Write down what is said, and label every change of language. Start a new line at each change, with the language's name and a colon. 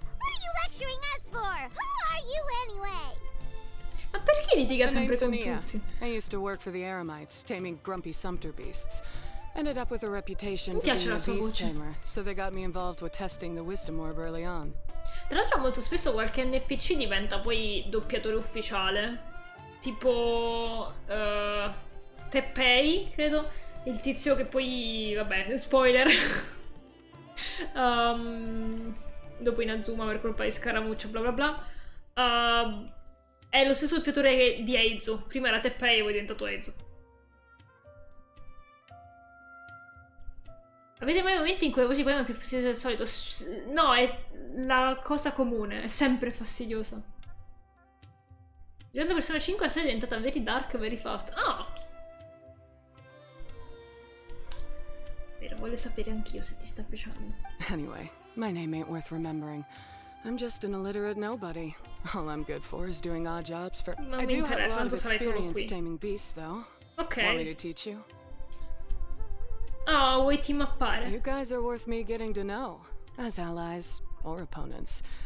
English: What are you lecturing us for? Who are you anyway?
Italian: Ma perché litiga sempre con tutti?
English: I used to work for the Eremites, taming grumpy sumpter beasts. Ended up with a reputation for being a beast tamer, so they got me involved with testing the wisdom orb early on.
Italian: Tra l'altro molto spesso qualche NPC diventa poi doppiatore ufficiale. Tipo Teppei, credo, il tizio che poi, vabbè, spoiler, dopo Inazuma per colpa di Scaramuccia, bla bla bla, è lo stesso doppiatore di Eizo, prima era Teppei e poi è diventato Eizo. Avete mai momenti in cui la voce poi è più fastidiosa del solito? No, è la cosa comune, è sempre fastidiosa. Giocando Persona 5 la storia è diventata
English: very dark, very fast.
Italian: Ah! Oh. Vero, voglio sapere anch'io se ti sta piacendo.
English: Anyway, my name ain't worth remembering. I'm just an illiterate nobody. All I'm good for is doing odd jobs for...
Italian: Non mi interessa, tanto sarai solo qui.
English: Taming beasts, though. Ok. Want me to teach you?
Italian: Oh, vuoi team appare?
English: You guys are worth me getting to know. as allies or opponents.